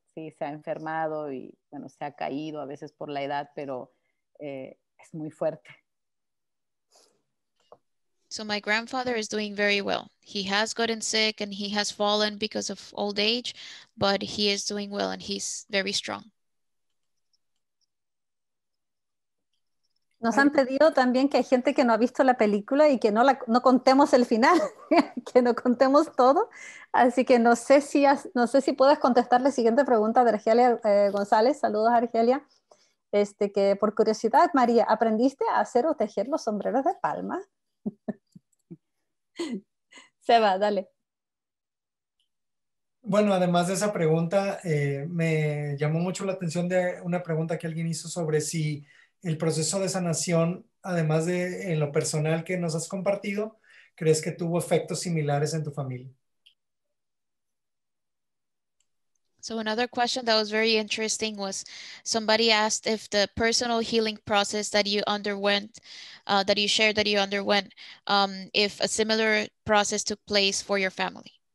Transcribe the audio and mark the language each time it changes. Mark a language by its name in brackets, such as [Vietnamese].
[Spanish] Sí, se ha enfermado y bueno, se ha caído a veces por la edad, pero es muy fuerte. [English] So my grandfather is doing very well. He has gotten sick and he has fallen because of old age, but he is doing well and he's very strong. [Spanish] Nos han pedido también que hay gente que no ha visto la película y que no contemos el final, que no contemos todo. Así que no sé si puedes contestar la siguiente pregunta de Argelia González. Saludos, Argelia. Que por curiosidad, María, ¿aprendiste a hacer o tejer los sombreros de palma? Seba, dale. Bueno, además de esa pregunta, me llamó mucho la atención de una pregunta que alguien hizo sobre si el proceso de sanación, además de en lo personal que nos has compartido, ¿crees que tuvo efectos similares en tu familia? [English] So another question that was very interesting was somebody asked if the personal healing process that you underwent, if a similar process took place for your family.